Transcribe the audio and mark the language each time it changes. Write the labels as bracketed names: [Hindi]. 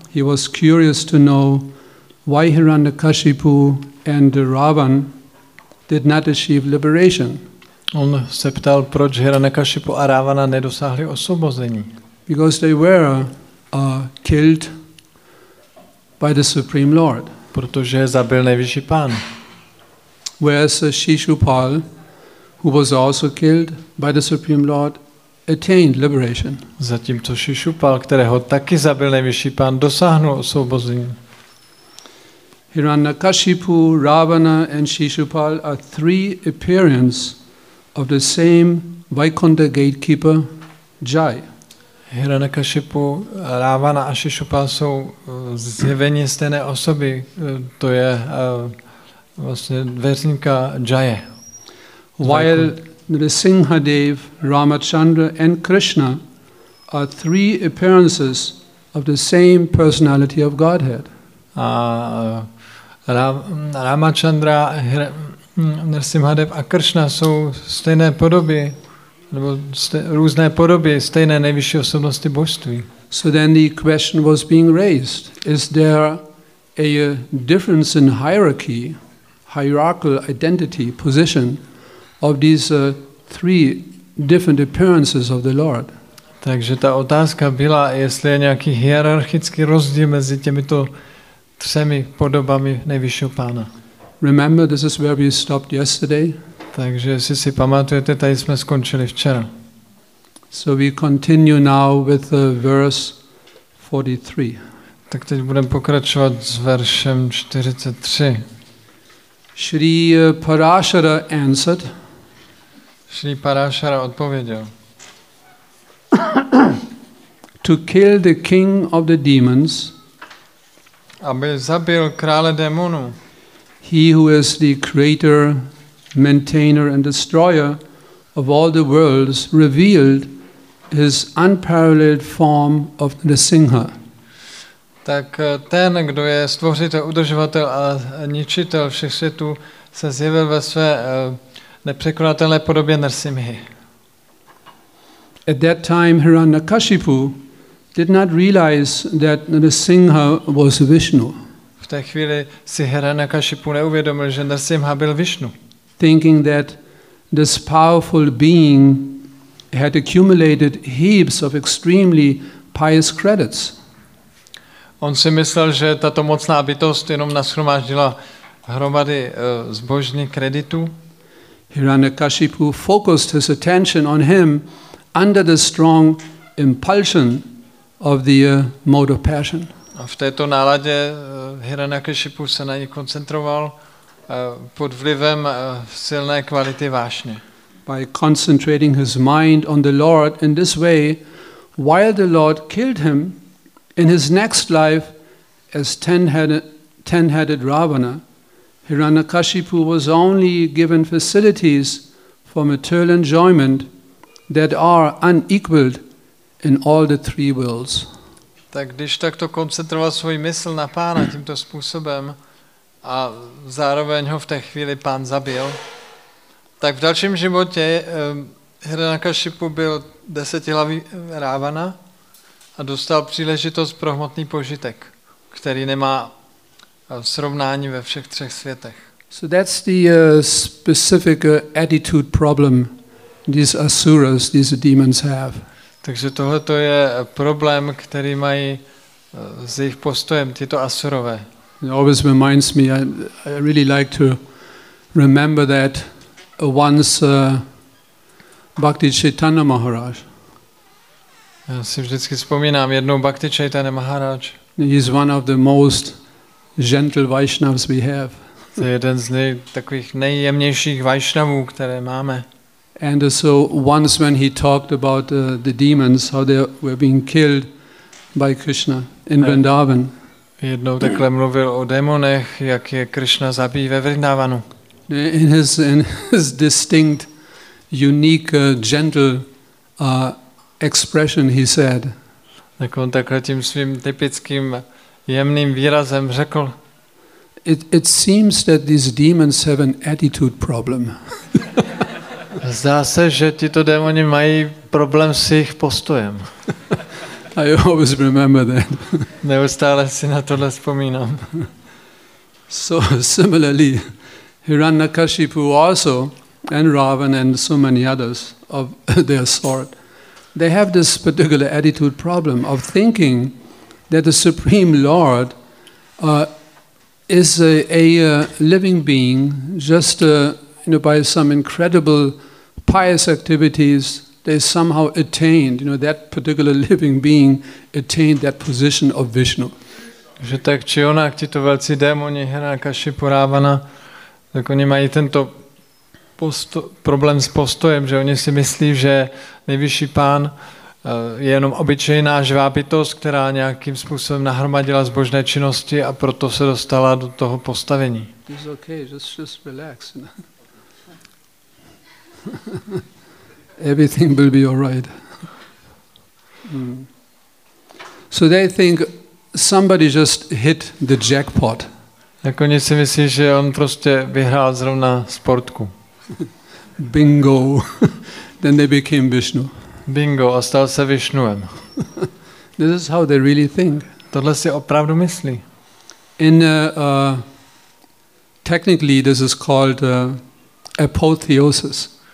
[English] He was curious to know why Hiranyakashipu and Ravan did not achieve liberation. [Czech] On se ptal, proč Hiranyakashipu a Ravana nedosáhli osvobození. [English] Because they were killed by the Supreme Lord. [Czech] Protože zabil nejvyšší pán. [English] Whereas Shishupal, who was also killed by the Supreme Lord, attained liberation. [Czech] Zatímco Shishupal, kterého taky zabil nejvyšší pán, dosáhnul osvobození. [English] Hiranyakashipu, Ravana and Shishupal are three appearances of the same Vaikuntha gatekeeper, Jai. [Czech] Hiranyakashipu, Ravana a Shishupal jsou zjevení stejné osoby, to je vlastně dveřníka Jaya. [English] While Nrisimhadev, Ramachandra and Krishna are three appearances of the same personality of Godhead. [Czech] A Ramachandra, Nrisimhadev a Krishna jsou stejné podoby, nebo různé podoby stejné nejvyšší osobnosti božství. [English] So then the question was being raised, is there a difference in hierarchy, hierarchical identity, position of these three different appearances of the Lord? [Czech] Takže ta otázka byla, jestli je nějaký hierarchický rozdíl mezi těmito třemi podobami nejvyššího pána. [English] Remember, this is where we stopped yesterday. [Czech] Takže jestli si pamatujete, tady jsme skončili včera. [English] So we continue now with verse 43. [Czech] Tak teď budeme pokračovat s veršem 43. [English] Shri Parashara answered. [Czech] Shri Parashara odpověděl. [English] To kill the king of the demons. [Czech] Aby zabil krále démonů. [English] He who is the creator, maintainer and destroyer of all the worlds revealed his unparalleled form of Nrisimha. [Czech] Tak ten, kdo je stvořitel, udržovatel a ničitel všech světů, se zjevil ve své nepřekonatelné podobě Nrisimhy. [English] At that time Hiranyakashipu did not realize that Nrisimha was Vishnu. [Czech] V té chvíli si Hiranyakashipu neuvědomil, že Nrisimha byl Vishnu. [English] Thinking that this powerful being had accumulated heaps of extremely pious credits. [Czech] On si myslel, že tato mocná bytost jenom nashromáždila hromady zbožných kreditů. [English] Hiranyakashipu focused his attention on him under the strong impulsion of the mode of passion. [Czech] A v této náladě Hiranyakashipu se na něj koncentroval pod vlivem silné kvality vášně. [English] By concentrating his mind on the Lord in this way, while the Lord killed him in his next life as ten-headed Ravana, Hiranyakashipu was only given facilities for material enjoyment that are unequaled in all the three worlds. [Czech] Tak když takto koncentroval svůj mysl na pána tímto způsobem a zároveň ho v té chvíli pán zabil, tak v dalším životě Hiranyakashipu byl desetihlavý Ravana a dostal příležitost pro hmotný požitek, který nemá srovnání ve všech třech světech. [English] So that's the specific attitude problem these asuras, these demons have. [Czech] Takže tohle to je problém, který mají s jejich postojem tyto asurové. [English] It always reminds me, I really like to remember that once Bhakti Chaitanya Maharaj. [Czech] Já si vždycky vzpomínám jednou Bhakti Chaitanya Maharaj. [English] He is one of the most gentle Vaishnavas we have. [Czech] To je jeden z takových nejjemnějších Vaishnavů, které máme. [English] And so once when he talked about the demons, how they were being killed by Krishna in Vrindavan. [Czech] Jednou takhle mluvil o démonech, jak je Krishna zabíjí ve Vrindavanu. [English] In his distinct, unique, gentle expression, he said. [Czech] Tak on takhle tím svým typickým jemným výrazem řekl. [English] It seems that these demons have an attitude problem. [Czech] Zdá se, že tito démoni mají problém s jejich postojem. [English] I always remember that. [Czech] Neustále si na tohle vzpomínám. [English] So similarly, Hiranyakashipu also, and Ravan and so many others of their sort, they have this particular attitude problem of thinking that the Supreme Lord is a living being, just by some incredible pious activities, they somehow attained, that particular living being attained that position of Vishnu. [Czech] Že tak či onak, tito velcí démoni, Hiranyakashipu, Ravana, tak oni mají tento problém s postojem, že oni si myslí, že nejvyšší pán je jenom obyčejná žvábitost, která nějakým způsobem nahromadila zbožné činnosti a proto se dostala do toho postavení. [English] It's okay, just relax. Everything will be all right. So they think somebody just hit the jackpot. [Czech] Tak oni si myslí, že on prostě vyhrál zrovna sportku. [English] Bingo. Then they became Vishnu. [Czech] Bingo, a stal se Vishnuem. [English] This is how they really think. [Czech] Tohle si opravdu myslí. [English] In technically this is called apotheosis.